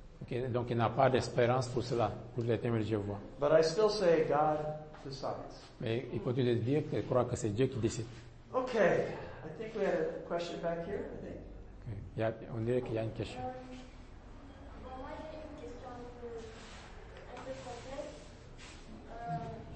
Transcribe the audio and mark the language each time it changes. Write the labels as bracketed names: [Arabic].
[French] Okay, donc il n'a pas d'espérance pour cela, pour les témoins de Jéhovah. [English] But I still say God decides. [French] Mais il continue de dire qu'il croit que c'est Dieu qui décide. [English] Okay, I think we had a question back here, I think. [French] Yeah, on dirait qu'il y a une question. Bon, moi j'ai une question un peu complexe.